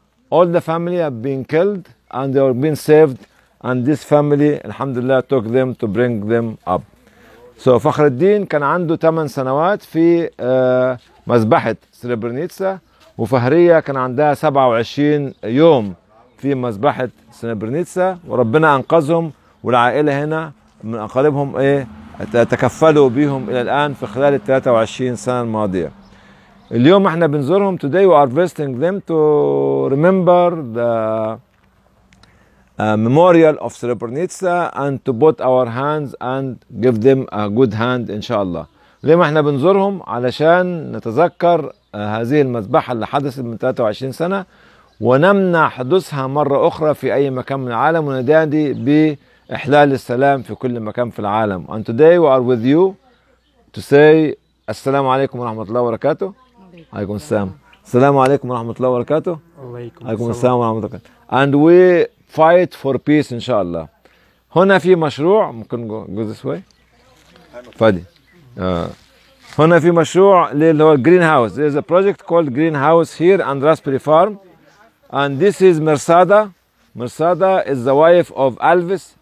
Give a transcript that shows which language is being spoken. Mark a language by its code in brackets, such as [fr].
[en] All the family have been killed and they have been saved. And this family, alhamdulillah, took them to bring them up. [ar] So Fakhruddin كان عنده 8 سنوات في مذبحة Srebrenica. وفهرية كان عندها 27 يوم في مذبحة سنبرنيتسا وربنا أنقذهم والعائلة هنا من أقاربهم إيه تكفلوا بهم إلى الآن في خلال 23 سنة الماضية. اليوم إحنا بنزورهم [en] today we are visiting them to remember the memorial of Srebrenica and to put our hands and give them a good hand [ar] إن شاء الله. اليوم إحنا بنزورهم علشان نتذكر هذه المذبحة اللي حدثت من 23 سنة ونمنع حدوثها مرة أخرى في أي مكان من العالم ونادي بإحلال السلام في كل مكان في العالم. [en] And today we are with you to say [ar] السلام عليكم ورحمة الله وبركاته. عليكم السلام. السلام عليكم ورحمة الله وبركاته. عليكم السلام ورحمة الله وبركاته. [en] And we fight for peace [ar] إن شاء الله. هنا في مشروع ممكن [en] go this way. [ar] فادي. هنا في مشروع اللي هو green house. [en] There is a project called green house here and raspberry farm. And this is Mersada. Mersada is the wife of Elvis.